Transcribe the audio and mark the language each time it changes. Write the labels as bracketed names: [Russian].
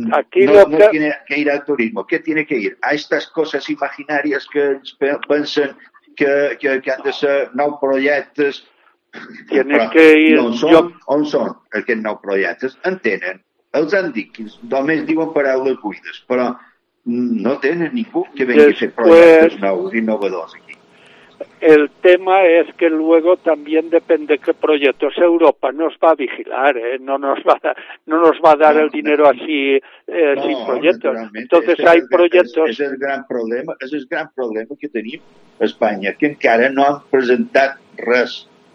[Spanish] tiene que ir al turismo. ¿Qué tiene que ir? A estas cosas imaginarias que piensan que han de ser [Catalan] nou projectes. [Spanish] Tiene que ir... [Catalan] ¿On són aquests nou projectes? En tenen. Els han dit que només diuen paraules buides, però no tenen ningú que vengui a fer projectes nous, innovadors aquí. [Spanish] El tema es que luego también depende qué proyectos. Europa nos va a vigilar, ¿eh? no nos va a dar el dinero así sin proyectos. Entonces hay proyectos. Ese es el gran problema. Ese es el gran problema que tenemos España, que [Catalan] encara no han presentado res.